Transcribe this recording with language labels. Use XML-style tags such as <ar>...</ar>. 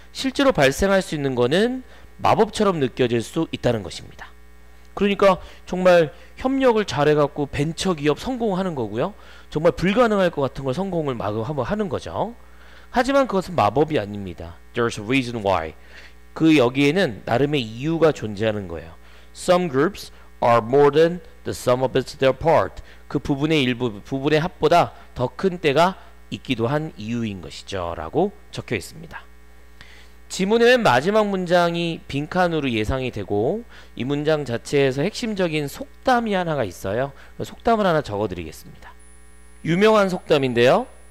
<ko>실제로 발생할 수 있는 거는 마법처럼 느껴질 수 있다는 것입니다. 그러니까 정말 협력을 잘해갖고 벤처 기업 성공하는 거고요. 정말 불가능할 것 같은 걸 성공을 막 한번 하는 거죠. 하지만 그것은 마법이 아닙니다.</ko> <en>There's a reason why.</en> <ko>그 여기에는 나름의 이유가 존재하는 거예요.</ko> <en>Some groups are more than the sum of their part.</en> <ko>그 부분의 일부, 부분의 합보다 더 큰 때가 있기도 한 이유인 것이죠. 라고 적혀 있습니다. 지문의 맨 마지막 문장이 빈칸으로 예상이 되고 이 문장 자체에서 핵심적인 속담이 하나가 있어요. 속담을 하나 적어드리겠습니다. 유명한 속담인데요.</ko>